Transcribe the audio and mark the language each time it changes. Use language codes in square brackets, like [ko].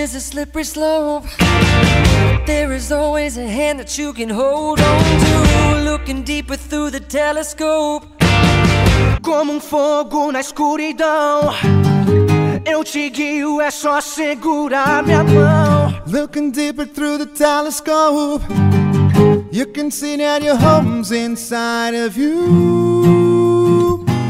[en] Slippery slope, there is always a hand that you can hold on to, looking deeper through the telescope. [pt] Como fogo na escuridão, eu te guio, é só segurar minha mão. [en] Looking deeper through the telescope, you can see that your home's inside of you.